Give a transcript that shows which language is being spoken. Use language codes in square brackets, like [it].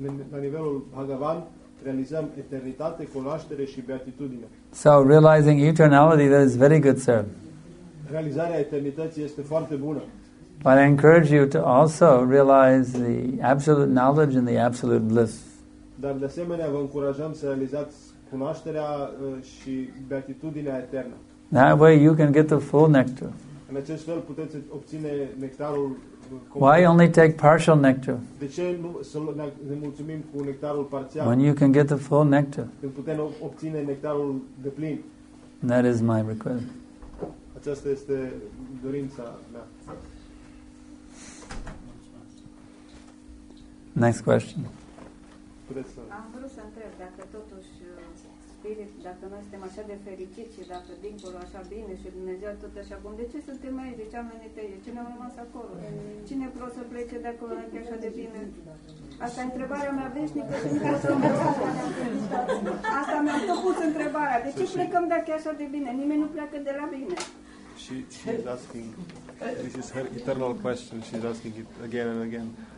[ro] La nivelul Bhagavan, realizăm eternitate, cunoaștere și beatitudine. [en] So realizing eternality, that is very good, sir. [ro] Realizarea eternității este foarte bună. [en] But I encourage you to also realize the absolute knowledge and the absolute bliss. [ro] Dar de asemenea vă încurajăm să realizați cunoașterea și beatitudinea eternă. [en] That way you can get the full nectar. [ro] În acest fel puteți obține nectarul complet. [en] Why only take partial nectar? [ro] De ce nu să ne mulțumim cu nectarul parțial? [en] When you can get the full nectar. [ro] Când putem obține nectarul de plin. [en] That is my request. [ro] Aceasta este dorința mea. [en] Next question. [ro] Am vrut să întreb dacă totuși spirit, dacă noi suntem așa de fericiți și dacă dincolo așa bine și Dumnezeu tot așa bun, de ce suntem aici? De ce am venit aici? Ce ne-am rămas acolo? Cine vreau să plece de acolo aici așa de bine? Asta e întrebarea mea veșnică și nu pot să învățați. Asta mi-a făcut întrebarea. De ce plecăm dacă e așa de bine? Nimeni nu pleacă de la bine. [en] She is asking, this is her eternal question, she is asking it again and again.